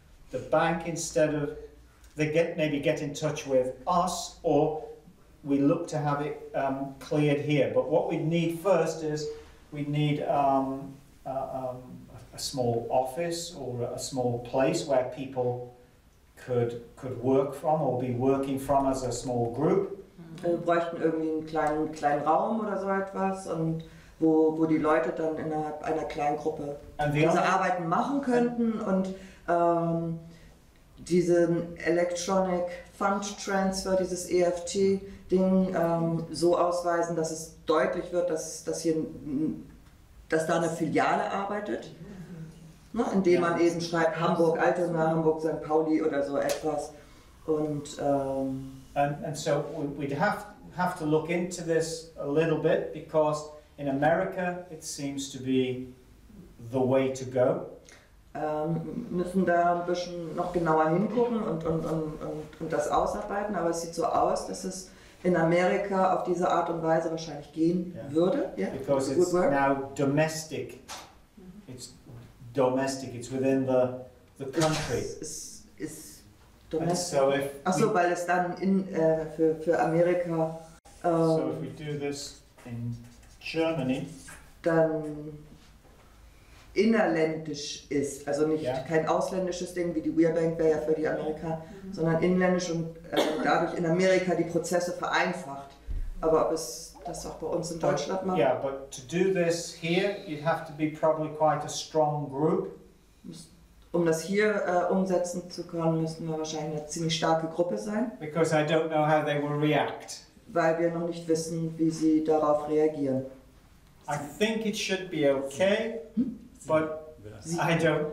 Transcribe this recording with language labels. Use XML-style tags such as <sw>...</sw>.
<en>The bank, instead of, they get maybe get in touch with us, or we look to have it cleared here. But what we need first is we need a small office or a small place where people could work from or be working from as a small group.</en> <de>Wir bräuchten irgendwie einen kleinen Raum oder so etwas, und wo die Leute dann innerhalb einer kleinen Gruppe diese Arbeiten machen könnten und diesen Electronic Fund Transfer, dieses EFT-Ding so ausweisen, dass es deutlich wird, dass da eine Filiale arbeitet. Ne, indem man eben schreibt Hamburg Altona, Hamburg St. Pauli oder so etwas. Und</de> <en>and so we'd have to look into this a little bit, because in America it seems to be the way to go.</en> <de>Müssen da ein bisschen noch genauer hingucken und das ausarbeiten, aber es sieht so aus, dass es in Amerika auf diese Art und Weise wahrscheinlich gehen würde.</de> <en>Yeah? Because it's now domestic. It's within the country. It's domestic.</en> <de>Weil es dann in für Amerika.</de> <en>So if we do this in Germany,</en> <de>dann innerländisch ist, also nicht kein ausländisches Ding wie die WeBank wäre ja für die Amerika, sondern inländisch und dadurch in Amerika die Prozesse vereinfacht. Aber ob es das auch bei uns in Deutschland machen?</de> <en>Yeah, but to do this here, you'd have to be probably quite a strong group.</en> <de>Um das hier umsetzen zu können, müssten wir wahrscheinlich eine ziemlich starke Gruppe sein.</de> <en>Because I don't know how they will react.</en> <de>Weil wir noch nicht wissen, wie sie darauf reagieren.</de> <en>I think it should be okay, but I don't.</en>